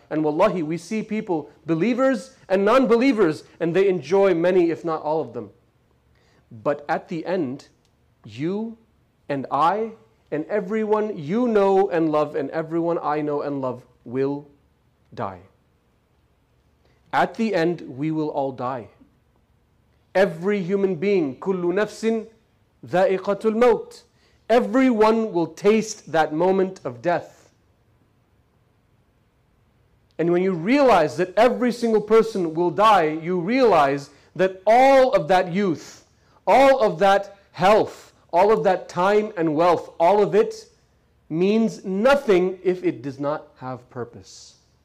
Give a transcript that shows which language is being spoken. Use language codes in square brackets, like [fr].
[en] And wallahi, we see people, believers and non-believers, and they enjoy many, if not all of them. But at the end, you and I and everyone you know and love and everyone I know and love will die. At the end, we will all die. Every human being, [ar] كل نفس ذائقة الموت. [en] Everyone will taste that moment of death. And when you realize that every single person will die, you realize that all of that youth, all of that health, all of that time and wealth, all of it means nothing if it does not have purpose.